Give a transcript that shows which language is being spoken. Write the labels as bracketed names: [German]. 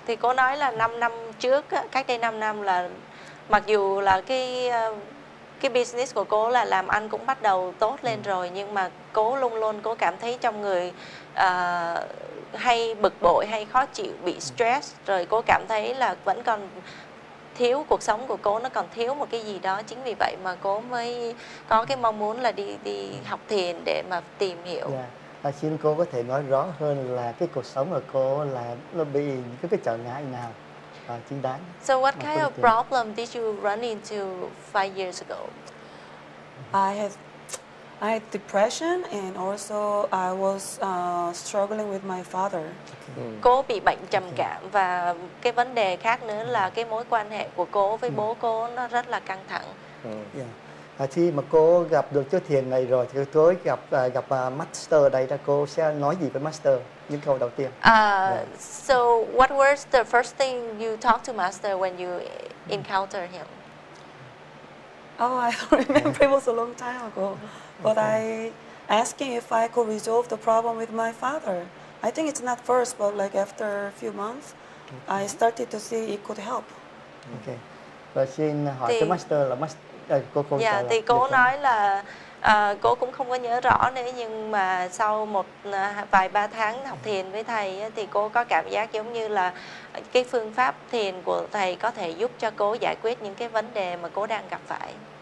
[Vietnamese] Thì cô nói là 5 năm trước, cách đây 5 năm là mặc dù là cái business của cô là làm ăn cũng bắt đầu tốt lên rồi, nhưng mà cô luôn cô cảm thấy trong người hay bực bội, hay khó chịu, bị stress, rồi cô cảm thấy là vẫn còn thiếu, cuộc sống của cô nó còn thiếu một cái gì đó. Chính vì vậy mà cô mới có cái mong muốn là đi học thiền để mà tìm hiểu. Xin cô có thể nói rõ hơn là cái cuộc sống của cô là nó bị cái trở ngại nào chính đáng. [English] So what kind of problem did you run into 5 years ago? I had depression, and also I was struggling with my father. [Vietnamese] Cô bị bệnh trầm cảm, và cái vấn đề khác nữa là cái mối quan hệ của cô với bố cô nó rất là căng thẳng. Khi mà cô gặp được chú thiền này rồi thì tôi gặp gặp master đây ra cô sẽ nói gì với master những câu đầu tiên. [English] So what was the first thing you talked to master when you encounter him? Oh, I don't remember. It was a long time ago. But okay. I asked him if I could resolve the problem with my father. I think it's not first, but like after a few months, okay. I started to see it could help. Okay. [Vietnamese] Và xin hỏi cho master là master cô dạ, thì cô nói là cô cũng không có nhớ rõ nữa, nhưng mà sau một vài ba tháng học thiền với thầy thì cô có cảm giác giống như là cái phương pháp thiền của thầy có thể giúp cho cô giải quyết những cái vấn đề mà cô đang gặp phải.